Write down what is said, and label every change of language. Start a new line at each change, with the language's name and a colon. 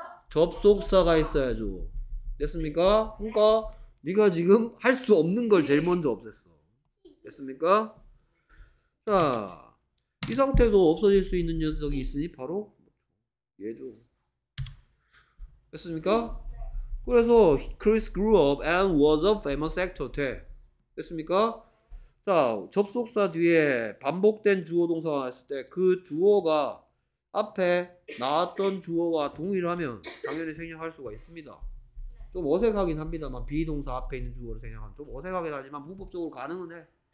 Korean: 접속사가 있어야죠. 됐습니까? 그러니까 네가 지금 할수 없는 걸 제일 먼저 없앴어. 됐습니까? 자, 이 상태도 없어질 수 있는 녀석이 있으니 바로 얘죠. 됐습니까?
English: 그래서 Chris grew up and was a famous actor.
Korean: 돼. 됐습니까? 자, 접속사 뒤에 반복된 주어 동사가 왔을 때그 주어가 앞에 나왔던 주어와 동일하면 당연히 생략할 수가 있습니다. 좀 어색하긴 합니다만 비동사 앞에 있는 주어를 생략하면 좀 어색하긴 하지만 문법적으로 가능은 해.